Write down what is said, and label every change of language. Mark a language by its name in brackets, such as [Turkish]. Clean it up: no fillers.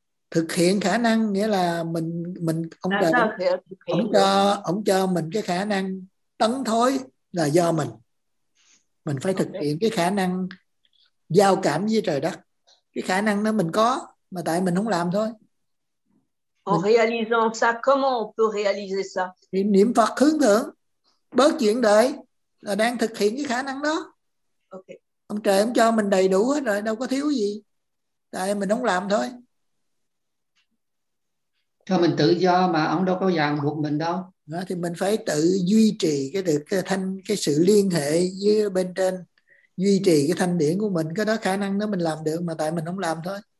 [Vietnamese] Thực hiện khả năng nghĩa là mình ông trời ông cho mình cái khả năng tấn thối là do mình. Mình phải thực hiện cái khả năng giao cảm với trời đất. Cái khả năng đó mình có mà tại mình không làm thôi. [French] En réalisant ça, comment on peut réaliser ça? [Vietnamese] Niệm Phật hướng thượng, bớt chuyện đời là đang thực hiện cái khả năng đó. Okay. Ông trời ông cho mình đầy đủ hết rồi, đâu có thiếu gì. Tại mình không làm thôi. Cho mình tự do mà ông đâu có ràng buộc mình đâu. Đó, thì mình phải tự duy trì cái được cái sự liên hệ với bên trên, duy trì cái thanh điển của mình, cái đó khả năng đó mình làm được mà tại mình không làm thôi.